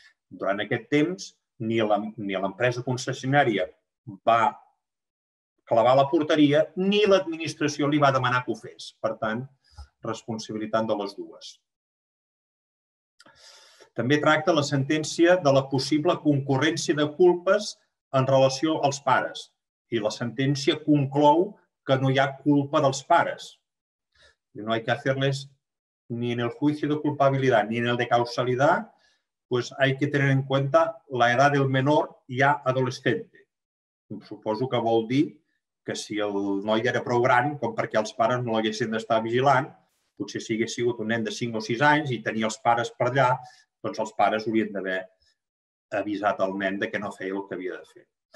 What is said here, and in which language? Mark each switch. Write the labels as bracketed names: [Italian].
[Catalan] Durant aquest temps, ni l'empresa concessionària va clavar la porteria ni l'administració li va demanar que ho fes. Per tant, responsabilitat de les dues. També tracta la sentència de la possible concurrència de culpes en relació als pares. I la sentència conclou que no hi ha culpa dels pares. [Spanish] No hay que hacerles ni en el juicio de culpabilidad ni en el de causalidad, pues hay que tener en cuenta la edad del menor ya adolescente. [Catalan] Suposo que vol dir que si el noi era prou gran, com perquè els pares no l'haguessin d'estar vigilant, potser si hagués sigut un nen de 5 o 6 anys i tenia els pares per allà, doncs els pares haurien d'haver avisat el nen de que no feia el que havia de fer.